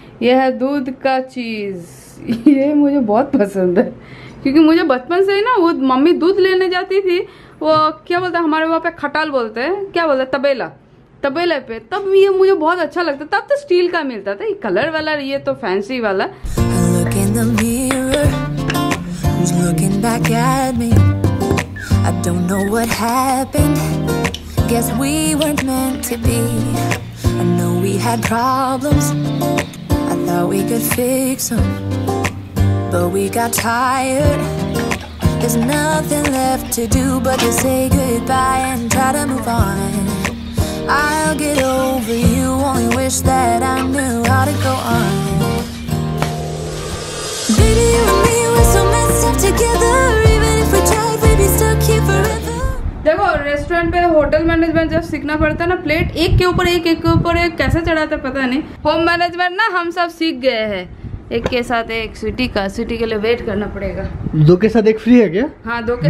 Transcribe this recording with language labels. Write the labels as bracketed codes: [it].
[hi] ये है दूध का चीज, ये मुझे बहुत पसंद है क्योंकि मुझे बचपन से ही ना वो मम्मी दूध लेने जाती थी। वो क्या बोलते हैं हमारे वहाँ पे खटाल बोलते हैं, क्या बोलते हैं तबेला, तबेले पे। तब ये मुझे बहुत अच्छा लगता, तब तो स्टील का मिलता था, ये कलर वाला, ये तो फैंसी वाला। [en] Looking back at me, I don't know what happened. Guess we weren't meant to be. I know we had problems, I thought we could fix them, but we got tired. There's nothing left to do but to say goodbye and try to move on. I'll get over you, only wish that I knew how to go on. Baby, you and me were so messed up together. [hi] देखो restaurant पे hotel management जब सीखना पड़ता है ना, plate एक के ऊपर एक, एक के ऊपर एक कैसे चढ़ाते पता नहीं। होम मैनेजमेंट ना हम सब सीख गए हैं। एक के साथ एक स्वीटी का, स्वीटी के लिए वेट करना पड़ेगा। दो के साथ एक फ्री है क्या? हाँ दो के